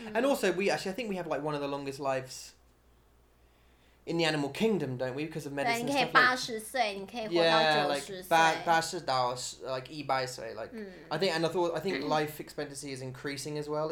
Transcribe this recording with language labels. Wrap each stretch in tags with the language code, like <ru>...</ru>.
<en>And also, I think we have like one of the longest lives in the animal kingdom, don't we? Because of medicine.</en> <zh>对，你可以八十岁，你可以活到九十岁。</zh> <en>Yeah, like</en> <zh>八十到一百岁。</zh> <en>Like, I think life expectancy is increasing as well.</en>